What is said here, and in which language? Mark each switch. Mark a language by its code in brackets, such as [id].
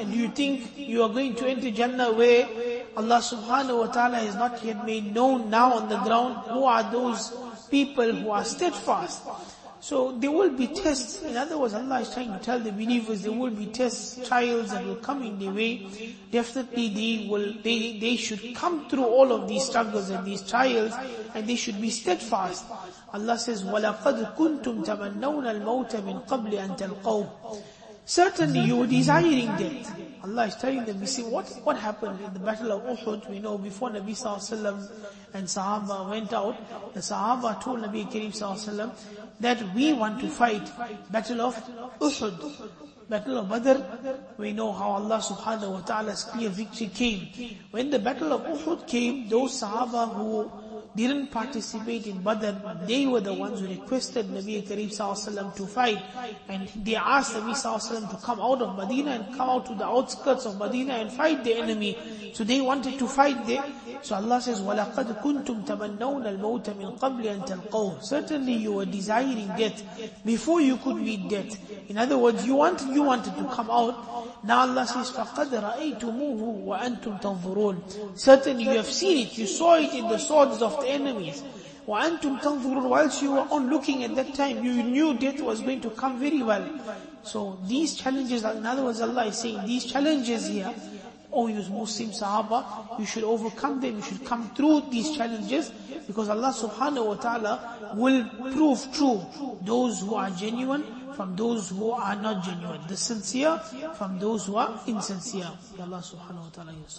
[en] And do you think you are going to enter Jannah where Allah subhanahu wa ta'ala has not yet made known now on the ground who are those people who are steadfast? So there will be tests. In other words, Allah is trying to tell the believers there will be tests, trials that will come in their way. Definitely they should come through all of these struggles and these trials and they should be steadfast. Allah says, [ar] وَلَقَدْ كُنْتُمْ تَمَنَّوْنَ الْمَوْتَ مِنْ قَبْلِ أَن تَلْقَوْهُ. [en] Certainly you were desiring death. Allah is telling them, you see what happened in the battle of Uhud. We know before Nabi sallallahu alaihi wasallam and Sahaba went out, the Sahaba told Nabi Kareem sallallahu alaihi wasallam that we want to fight battle of Uhud, battle of Badr. We know how Allah subhanahu wa ta'ala's clear victory came. When the battle of Uhud came, those Sahaba who didn't participate in Badr, they were the ones who requested Nabi Kareem sallallahu alaihi wasallam to fight. And they asked Nabi sallallahu alaihi wasallam to come out of Medina and come out to the outskirts of Medina and fight the enemy. So they wanted to fight there. So Allah says, [ar] وَلَقَدْ كُنْتُمْ تَمَنَّوْنَ الْمَوْتَ مِنْ قَبْلِ أَن تَلْقَوْهُ. [en] Certainly you were desiring death before you could meet death. In other words, you wanted to come out. Now Allah says, [ar] فَقَدْ رَأَيْتُمُوهُ وَأَنْتُمْ تَنْظُرُونَ. [en] Certainly you have seen it, you saw it in the swords of the enemies. [ar] وَأَنْتُمْ تَنْظُرُونَ. [en] Whilst you were on looking at that time, you knew death was going to come very well. So these challenges, in other words, Allah is saying, these challenges here, oh, you Muslim Sahaba, you should overcome them, you should come through these challenges, because Allah subhanahu wa ta'ala will prove true those who are genuine from those who are not genuine, the sincere from those who are insincere. Allah subhanahu wa ta'ala.